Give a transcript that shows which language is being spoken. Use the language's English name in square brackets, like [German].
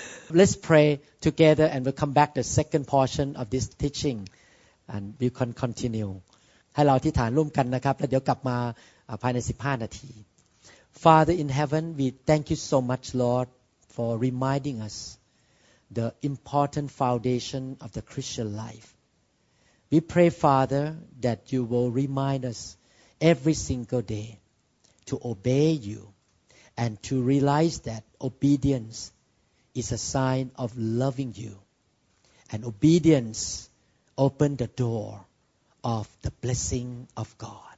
[English] Let's pray together and we'll come back to the second portion of this teaching and we can continue. [Thai] ให้เราอธิษฐานร่วมกันนะครับแล้วเดี๋ยวกลับมาภายใน15นาที [English] Father in heaven, we thank you so much, Lord, for reminding us the important foundation of the Christian life. We pray, Father, that you will remind us every single day. To obey you and to realize that obedience is a sign of loving you. And obedience opened the door of the blessing of God.